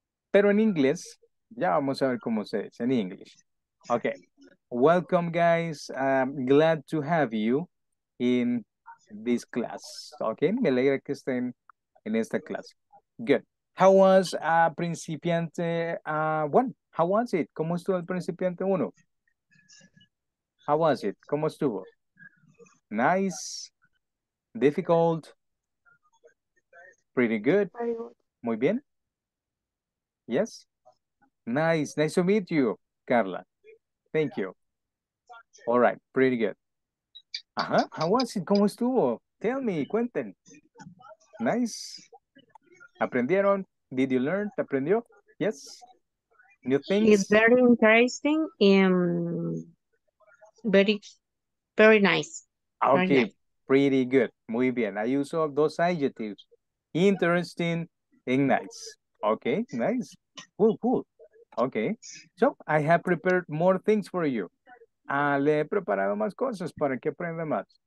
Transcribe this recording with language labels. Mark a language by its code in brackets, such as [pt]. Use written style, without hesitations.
[es] Pero en inglés, ya vamos a ver cómo se dice en inglés. [en] Okay. Welcome, guys. I'm glad to have you in this class. [es] Okay, me alegra que estén en esta clase. [en] Good. How was principiante one? How was it? [es] ¿Cómo estuvo el principiante uno? [en] How was it? [es] ¿Cómo estuvo? [en] Nice. Difficult. Pretty good. [es] Muy bien. [en] Yes. Nice. Nice to meet you, Carla. Thank you. All right. Pretty good. Uh-huh. How was it? [es] ¿Cómo estuvo? [en] Tell me, [es] cuenten. [en] Nice. [es] ¿Aprendieron? [en] Did you learn? [es] ¿Te aprendió? [en] Yes. New things. It's very interesting and very, very nice. Okay, very nice. Pretty good. [es] Muy bien. [en] I use all those adjectives. Interesting and nice. Okay, nice. Cool, cool. Okay. So, I have prepared more things for you. [es] Le he preparado más cosas para que aprenda más.